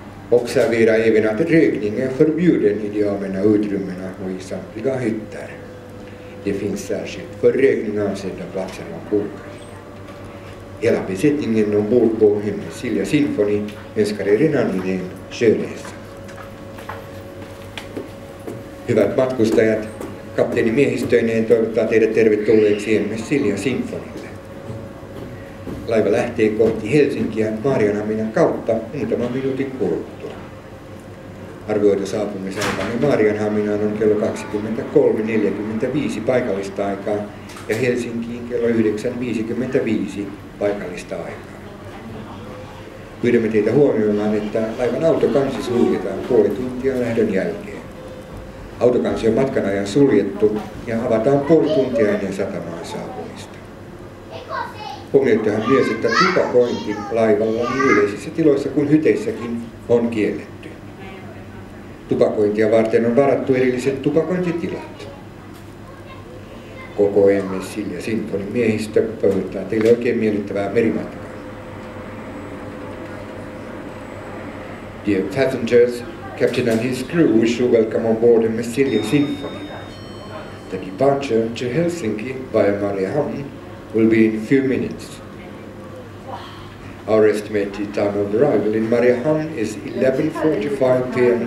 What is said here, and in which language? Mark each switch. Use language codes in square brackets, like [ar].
[sv] Observera även att rökning är förbjuden i de allmänna utrymmena och i samtliga hytter. Det finns särskilt för rökning avsedda platser och bokar. Hela besättningen ombord på Hemnes Silja Symfoni önskar er en angenäm sjöresa. [fi] Hyvät matkustajat, kapteeni miehistöineen toivottaa teidät tervetulleeksi Hemnes Silja Symfonille. Laiva lähtee kohti Helsinkiä Maarianhaminan kautta muutaman minuutin kuluttua. Arvioitu saapumisaikamme Maarianhaminaan on kello 23.45 paikallista aikaa ja Helsinkiin kello 9.55 paikallista aikaa. Pyydämme teitä huomioimaan, että laivan autokansi suljetaan puoli tuntia lähdön jälkeen. Autokansi on matkan ajan suljettu ja avataan puoli tuntia ennen satamaan saapumista. Huomioittehan myös, että tupakointi laivalla niin yleisissä tiloissa kuin hyteissäkin on kielletty. Tupakointia varten on varattu erilliset tupakointitilat. Koko Hemnes Silja Symfonin miehistö pöytää teille oikein miellyttävää merimatkaa. [en] Dear passengers, captain and his crew wish you welcome on board Hemnes Silja Symfonin. The departure to Helsinki via Mariehamn will be in a few minutes. Our estimated time of arrival in Mariehamn is 11:45 p.m.